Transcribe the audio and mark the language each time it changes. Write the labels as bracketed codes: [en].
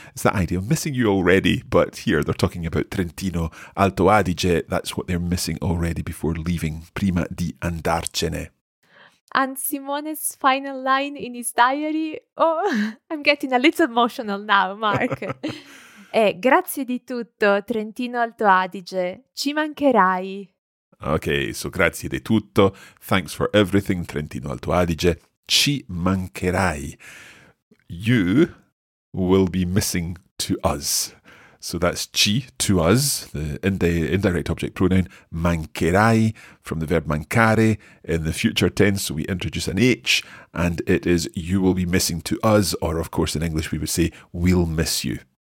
[en] It's that idea of missing you already, but here they're talking about Trentino Alto Adige. That's what they're missing already before leaving, [it] prima di andarcene. [en] And Simone's final line in his diary, oh, I'm getting a little emotional now, Mark. [it] grazie di tutto, Trentino Alto Adige, ci mancherai. [en] Okay, so [it] grazie di tutto, [en] thanks for everything, Trentino Alto Adige, [it] ci mancherai. [en] You will be missing to us. So that's ci, to us, the indirect object pronoun, mancherai, from the verb mancare in the future tense. So we introduce an H, and it is you will be missing to us, or of course in English we would say we'll miss you.